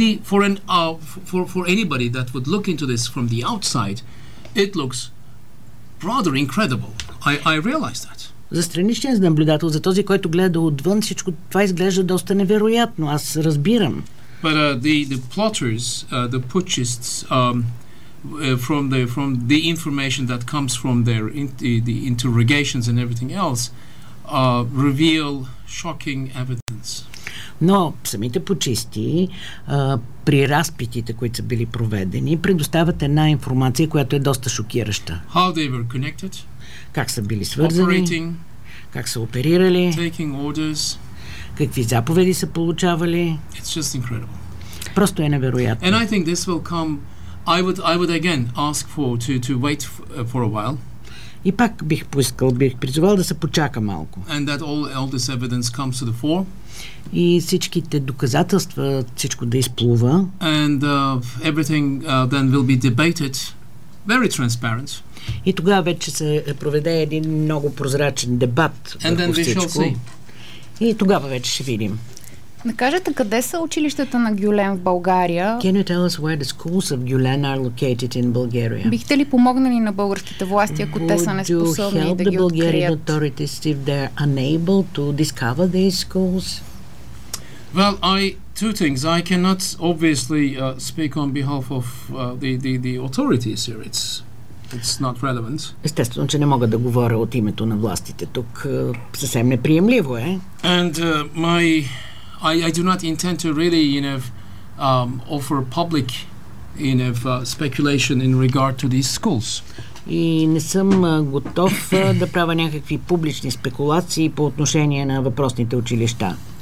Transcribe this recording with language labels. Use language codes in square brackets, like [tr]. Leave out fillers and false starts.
[en] For anybody that would look into this from the outside, it looks rather incredible. I realize that. [bg] За страничния наблюдател, за този, който гледа отвън, всичко това изглежда доста невероятно. Аз разбирам. [en] But the plotters, the putschists, from the information that comes from their the interrogations and everything else, reveal shocking evidence. [bg] Но самите почисти, при разпитите, които са били проведени, предоставят една информация, която е доста шокираща. [en] How they were connected, [bg] как са били свързани, как са оперирали, [en] taking orders, [bg] какви заповеди са получавали. [en] It's just incredible. [bg] Просто е невероятно. [en] And I think this will come, I would again ask for to wait for a while. [bg] И пак бих поискал, бих призовал да се почака малко. [en] And that all this evidence comes to the fore. [bg] И всичките доказателства, всичко да изплува. [en] And everything then will be debated very transparent. [bg] И тогава вече се проведе един много прозрачен дебат. [en] And then [bg] всичко. [en] We shall see. [bg] И тогава вече ще видим. Накажете, къде са училищата на Гюлен в България? [en] Can you tell us where the schools of Gulen are located in Bulgaria? [bg] Бихте ли помогнали на българските власти, ако те са неспособни да ги открият? [en] Bulgarian authorities if they are unable to discover these schools? Well, two things. I cannot obviously speak on behalf of the authorities here. It's not relevant. [bg] Естествено, че не мога да говоря от името на властите тук. Съвсем неприемливо е. [en] And I do not intend to really, you know, offer public, you know, speculation in regard to these schools. [bg] И не съм готов да правя някакви публични спекулации по отношение на въпросните училища.